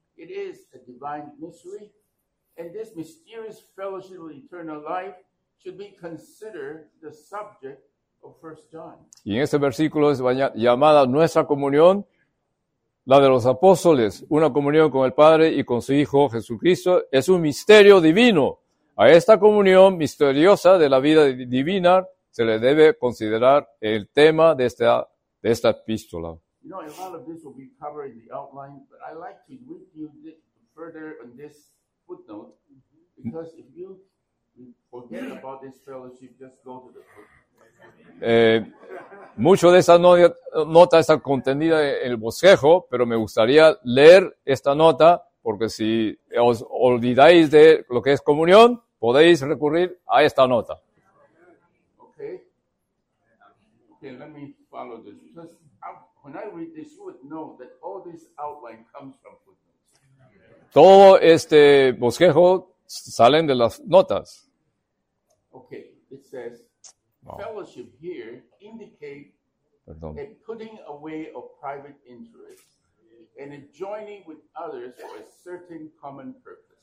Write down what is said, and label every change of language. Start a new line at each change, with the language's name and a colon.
English: It is a divine mystery, and this mysterious fellowship of eternal life should be considered the subject of 1 John.
Spanish: Y en ese versículo es llamada nuestra comunión, la de los apóstoles, una comunión con el Padre y con su Hijo Jesucristo, es un misterio divino. A esta comunión misteriosa de la vida divina se le debe considerar el tema de esta epístola.
English: You know, a lot of this will be covered in the outline, but I like to read you further on this footnote, because if you forget about this fellowship, just go to the footnote.
Spanish: Mucho de esa nota está contenida en el bosquejo, pero me gustaría leer esta nota, porque si os olvidáis de lo que es comunión, podéis recurrir a esta nota.
English: Okay, let me follow this. When I read this, you would know that all this outline comes from footnotes.
Spanish: Todo este bosquejo salen de las notas.
English: Okay, it says, fellowship here indicates a putting away of private interest and in joining with others for a certain common purpose.